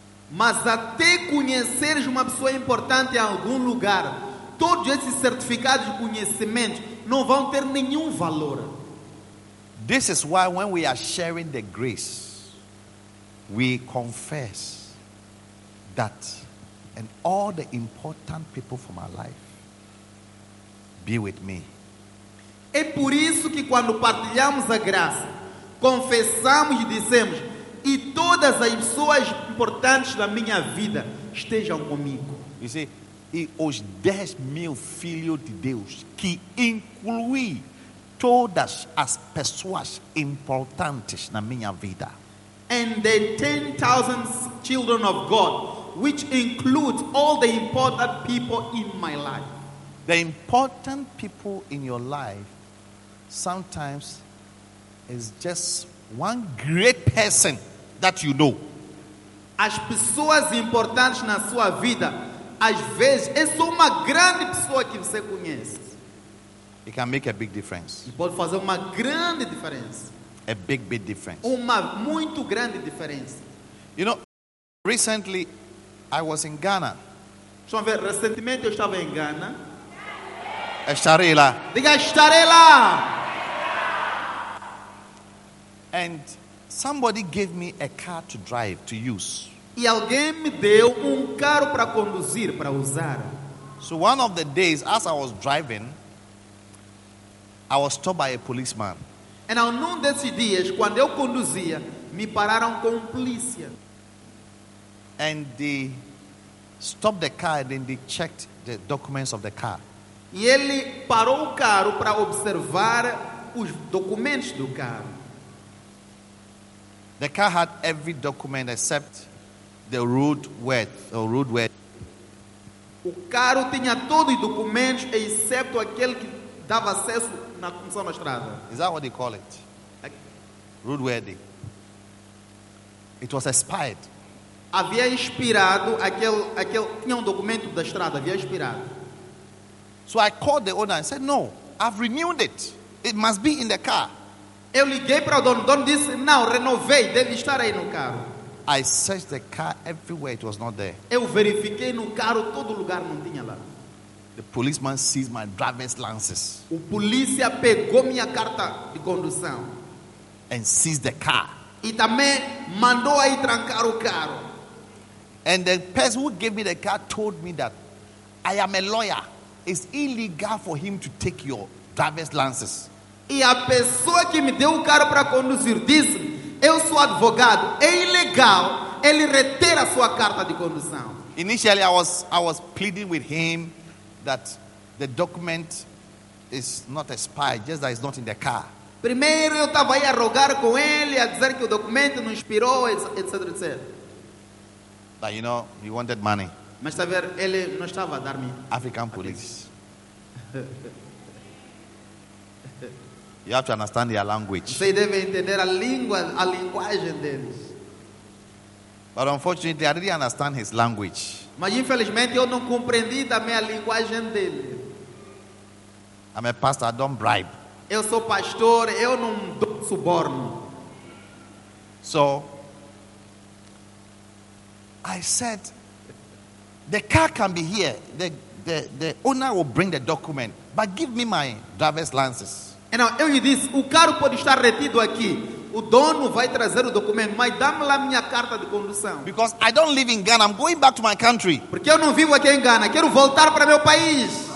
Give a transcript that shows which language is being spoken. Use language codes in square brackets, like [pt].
[pt] Mas até conheceres uma pessoa importante em algum lugar, todos esses certificados de conhecimento não vão ter nenhum valor. [en] This is why when we are sharing the grace, we confess that and all the important people from our life be with me. [pt] É por isso que quando partilhamos a graça, confessamos e dizemos: e todas as pessoas importantes da minha vida estejam comigo. [en] You see, [pt] e os 10 mil filhos de Deus, que inclui todas as pessoas importantes na minha vida. [en] And the 10,000 children of God, which include all the important people in my life. The important people in your life sometimes is just one great person that you know. [pt] As pessoas importantes na sua vida, às vezes, é só uma grande pessoa que você conhece. [en] It can make a big difference. [pt] E pode fazer uma grande diferença. [en] A big, big difference. [pt] Uma muito grande diferença. [en] You know, recently, I was in Ghana. [pt] Deixa eu ver, recentemente eu estava em Ghana. Estarei lá. Diga, estarei lá. [en] And somebody gave me a car to drive, to use. [pt] E alguém me deu carro para conduzir, para usar. [en] So one of the days, as I was driving, I was stopped by a policeman. And on one [pt] desses dias, quando eu conduzia, me pararam com polícia. [en] And they stopped the car and then they checked the documents of the car. [pt] E ele parou o carro para observar os documentos do carro. [en] The car had every document except the roadworthy. [pt] O carro tinha todos os documentos exceto aquele que dava acesso na condução da estrada. [en] Is that what they call it? Roadworthy. It was expired. [pt] Havia expirado aquele tinha documento da estrada, havia expirado. [en] So I called the owner and said, "No, I've renewed it. It must be in the car." [pt] Eu liguei para o dono. O dono disse: "Não, renovei, deve estar aí no carro." [en] I searched the car everywhere, it was not there. [pt] Eu verifiquei no carro, todo lugar não tinha lá. [en] The policeman seized my driver's license. [pt] O polícia pegou minha carta de condução. [en] And seized the car. [pt] E também mandou aí trancar o carro. [en] And the person who gave me the car told me that I am a lawyer. It's illegal for him to take your driver's license. [pt] E a pessoa que me deu o carro para conduzir disse: "Eu sou advogado, é ilegal ele reter a sua carta de condução." [en] Initially I was pleading with him that the document is not expired, just that it's not in the car. [pt] Primeiro eu estava aí a rogar com ele, a dizer que o documento não expirou, etc, etc. [en] But you know, he wanted money. [pt] Mas tá ver, ele não estava a dar-me. [en] African police. You have to understand their language. [pt] Você deve entender a linguagem deles. [en] But unfortunately, I didn't understand his language. [pt] Mas infelizmente eu não compreendi também a linguagem dele. [en] I'm a pastor, I don't bribe. [pt] Eu sou pastor, eu não dou suborno. [en] So I said, "The car can be here. The owner will bring the document, but give me my driver's license." [pt] Então, eu lhe disse: "O carro pode estar retido aqui. O dono vai trazer o documento, mas dá-me lá minha carta de condução." [en] Because I don't live in Ghana, I'm going back to my country. [pt] Porque eu não vivo aqui em Ghana, quero voltar para meu país.